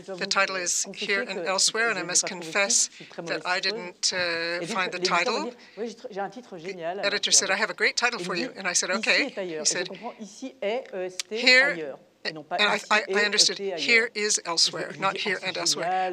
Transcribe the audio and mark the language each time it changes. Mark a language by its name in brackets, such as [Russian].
[English] the title is here and elsewhere, and I must confess that I didn't find the title. [French] Oui, j'ai un titre génial. [English] The editor said, I have a great title for you. And I said, okay. He said, [French] ici est E-S-T ailleurs. [English] And I understood, here is elsewhere, not here and elsewhere.